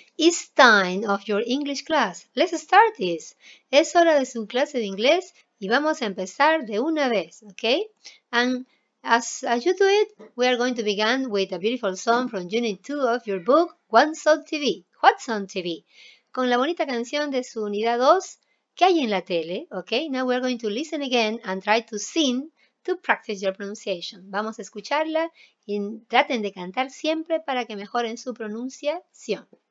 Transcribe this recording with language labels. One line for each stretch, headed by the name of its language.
English: It's time of your English class, let's start this.
Spanish: Es hora de su clase de inglés y vamos a empezar de una vez, ¿ok?
English: And as you do it, we are going to begin with a beautiful song from Unit 2 of your book, What's on TV? What's on TV?
Spanish: Con la bonita canción de su unidad 2, ¿qué hay en la tele? ¿Ok?
English: Now we are going to listen again and try to sing to practice your pronunciation.
Spanish: Vamos a escucharla y traten de cantar siempre para que mejoren su pronunciación.